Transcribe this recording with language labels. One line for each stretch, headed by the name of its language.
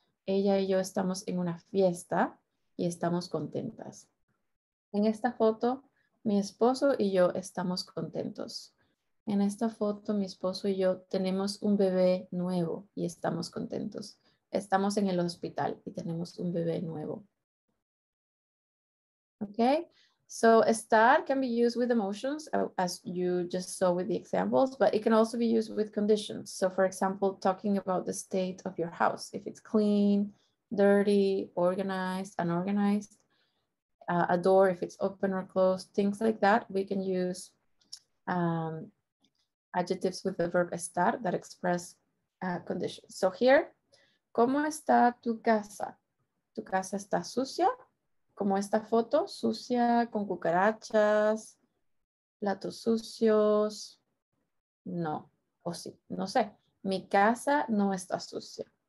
Spanish: Ella y yo estamos en una fiesta y estamos contentas. En esta foto, mi esposo y yo estamos contentos. En esta foto, mi esposo y yo tenemos un bebé nuevo y estamos contentos. Estamos en el hospital y tenemos un bebé nuevo.
English: Okay, so estar can be used with emotions as you just saw with the examples, but it can also be used with conditions. So for example, talking about the state of your house, if it's clean, dirty, organized, unorganized, a door, if it's open or closed, things like that, we can use adjectives with the verb estar that express conditions. So here,
Spanish: ¿cómo está tu casa? ¿Tu casa está sucia? ¿Cómo esta foto? Sucia, con cucarachas, platos sucios. No, o sí, no sé. Mi casa no está sucia.